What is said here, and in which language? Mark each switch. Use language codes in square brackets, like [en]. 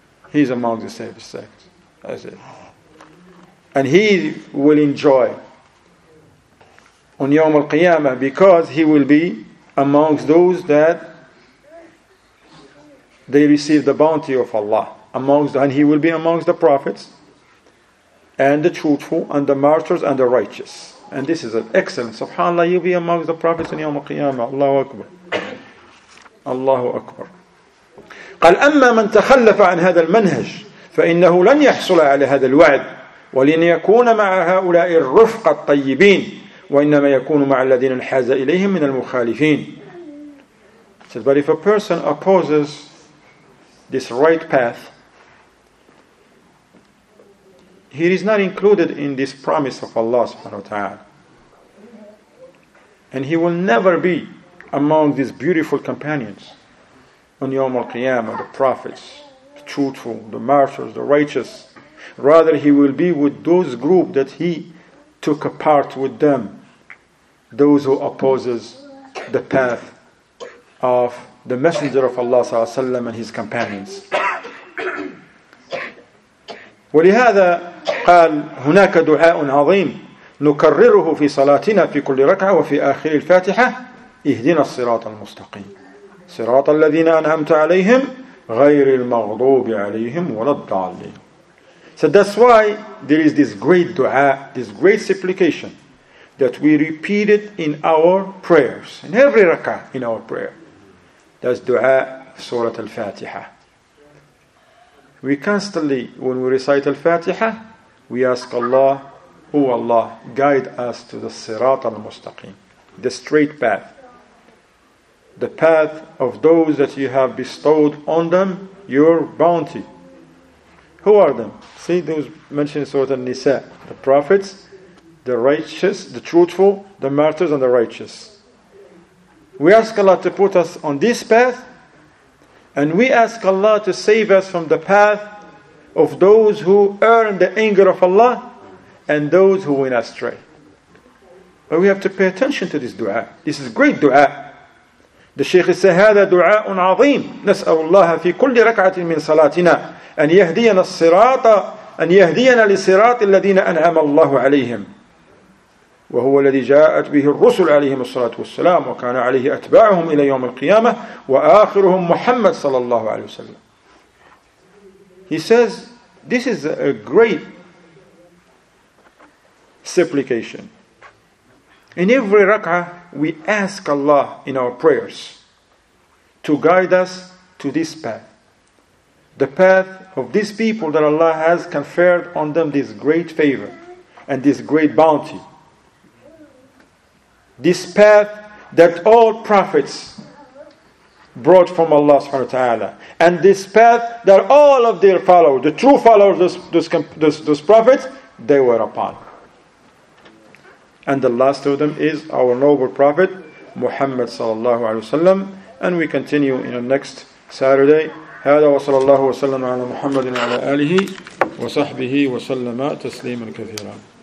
[en] He's among the saved sect. That's it. And he will enjoy on Yawm al-Qiyamah because he will be amongst those that they receive the bounty of Allah. And he will be amongst the prophets and the truthful and the martyrs and the righteous. And this is an excellent. SubhanAllah, you'll be amongst the prophets on Yawm al-Qiyamah. Allahu Akbar. Allahu Akbar. [ar] قال أما من تخلف عن هذا المنهج فإنه لن يحصل على هذا الوعد ولن يكون مع هؤلاء الرفق الطيبين وإنما يكون مع الذين انحاز إليهم من المخالفين. [en] Said, but if a person opposes this right path, he is not included in this promise of Allah subhanahu wa ta'ala, and he will never be among these beautiful companions on Yawm al-Qiyamah, the prophets, the truthful, the martyrs, the righteous. Rather, he will be with those group that he took a part with them, those who opposes the path of the Messenger of Allah sallallahu alaihi wasallam and his companions. [ar] ولهذا قال هناك دعاء عظيم نكرره في صلاتنا في كل ركعة وفي آخر الفاتحة اهدنا الصراط المستقيم صراط الذين أنعمت عليهم غير المغضوب عليهم ولا الضالين. [en] So that's why there is this great dua, this great supplication that we repeat it in our prayers, in every rak'ah in our prayer. That's dua Surah Al-Fatiha. We constantly, when we recite Al-Fatiha, we ask Allah, O Allah, guide us to the Sirat Al-Mustaqim, the straight path, the path of those that you have bestowed on them, your bounty. Who are them? See those mentioned in Surah Al-Nisa, the prophets, the righteous, the truthful, the martyrs, and the righteous. We ask Allah to put us on this path, and we ask Allah to save us from the path of those who earn the anger of Allah and those who went astray. But we have to pay attention to this dua. This is great dua. The Shaykh says, [ar] هذا دعاء عظيم نسأل الله في كل ركعة من صلاتنا أن يهدينا الصراط أن يهدينا لصراط الذين أنعم الله عليهم وهو الذي جاءت به الرسل عليهم الصلاة والسلام وكان عليه أتباعهم إلى يوم القيامة وآخرهم محمد صلى الله عليه وسلم. [en] He says, this is a great supplication. In every rak'ah, we ask Allah in our prayers to guide us to this path, the path of these people that Allah has conferred on them this great favor and this great bounty. This path that all prophets brought from Allah subhanahu wa ta'ala. And this path that all of their followers, the true followers of those prophets, they were upon. And the last of them is our noble prophet, Muhammad sallallahu alayhi wa sallam. And we continue in the next Saturday. [ar] هذا وصلى الله وسلم على محمد وعلى آله وصحبه وسلم تسليما كثيرا.